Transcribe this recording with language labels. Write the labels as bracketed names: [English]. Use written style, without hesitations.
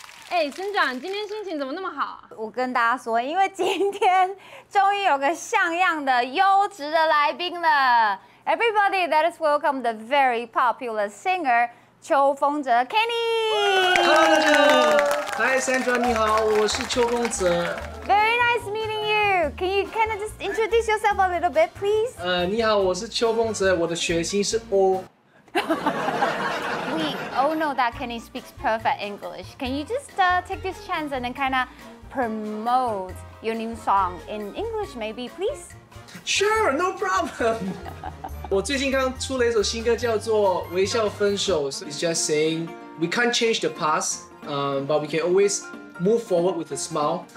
[Chinese] 哎，村长，今天心情怎么那么好、啊？我跟大家说，因为今天终于有个像样的优质的来宾了。 [English] Everybody, let us welcome the very popular singer 秋风泽 Kenny。 Hello， [Chinese] 大家好。 [English] Hi， [Chinese] Sandra， 你好，我是秋风泽。 [English] Very nice meeting you. Can you kind of just introduce yourself a little bit, please？ [Chinese] 你好，我是秋风泽，我的血型是 O。 [English] Oh no, that Kenny speaks perfect English. Can you just take this chance and then kind of promote your new song in English, maybe, please? Sure, no problem. [Chinese] 我最近刚出了一首新歌叫做《微笑分手》 [English] It's just saying we can't change the past, but we can always move forward with a smile.